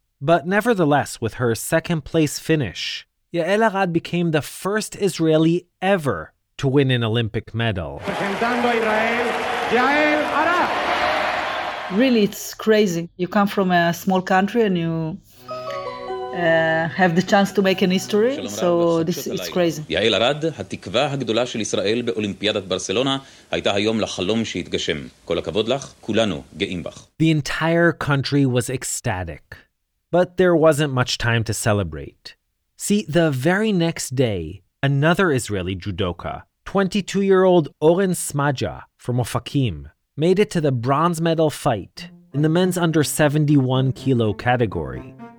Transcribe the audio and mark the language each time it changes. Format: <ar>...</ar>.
<en>But nevertheless, with her second-place finish, Yael Arad became the first Israeli ever to win an Olympic medal.</en> <es>Presentando a Israel, Yael Arad!</es> <en>Really, it's crazy. You come from a small country and you have the chance to make an history, so this it's crazy.</en> <he>Yael Arad, התקווה הגדולה של ישראל באולימפיאדת ברסלונה, הייתה היום לחלום שהתגשם. כל הכבוד לך, כולנו גאים בך.</he> <en>The entire country was ecstatic, but there wasn't much time to celebrate. See, the very next day, another Israeli judoka, 22-year-old Oren Smadja from Ofakim, made it to the bronze medal fight in the men's under 71-kilo category.</en>